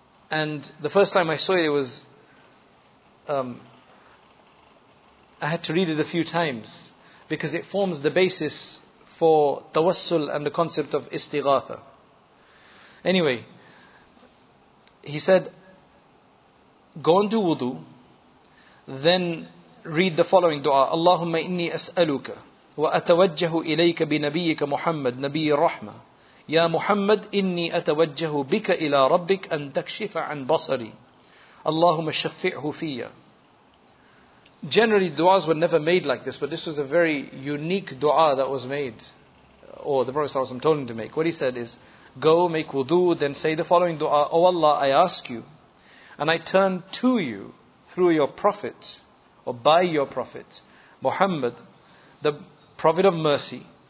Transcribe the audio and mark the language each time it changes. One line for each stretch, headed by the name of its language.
English: And the first time I saw it, it was, I had to read it a few times, because it forms the basis for tawassul and the concept of istighatha. Anyway, he said, go and do wudu, then read the following dua.
Arabic: Allahumma inni as'aluka وأتوجه إليك بنبيك محمد نبي الرحمة يا محمد إني أتوجه بك إلى ربك أن تكشف عن بصري اللهم شفعه فيا.
English: Generally du'as were never made like this, but this was a very unique du'a that was made, or the Prophet ﷺ told him to make. What he said is, go make wudu, then say the following du'a. O Allah, I ask you, and I turn to you through your prophet, or by your prophet Muhammad, the Prophet of Mercy.